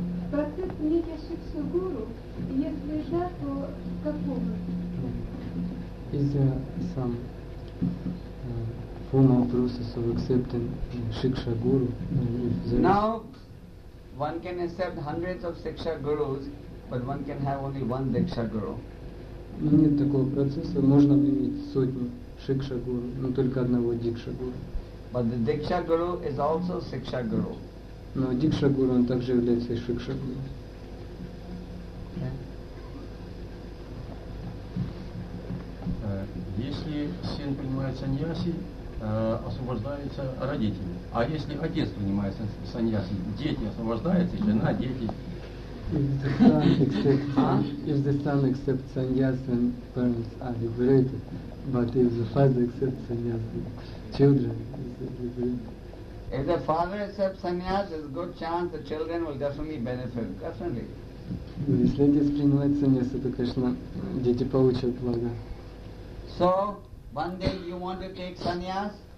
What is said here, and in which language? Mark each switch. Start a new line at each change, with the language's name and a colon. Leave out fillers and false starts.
Russian: Процесс нитяшиксу гуру, если да, то какого?
English: Is there some formal process of accepting shiksha guru? Now, one can accept hundreds of shiksha gurus, but one can have only one diksha guru.
Russian: Нет такого процесса, можно иметь сотни шикша гуру, но только одного дикша гуру.
English: But the diksha guru is also shiksha guru.
Russian: Но дикша гуру, он также является и шикша гуру.
English: Okay.
Russian: Если сын принимает саньяси, освобождаются родители. А если отец принимает саньяси, дети освобождаются, жена, дети.
English: If the son accepts sannyas, then parents are liberated. But if the father accepts sannyas, then children are liberated. If the father accepts sannyas, there's a good chance the children will definitely benefit. Definitely.
Russian: Если отец принимает sannyas, то, конечно, дети получат благо.
English: So, one day you want to take sannyas?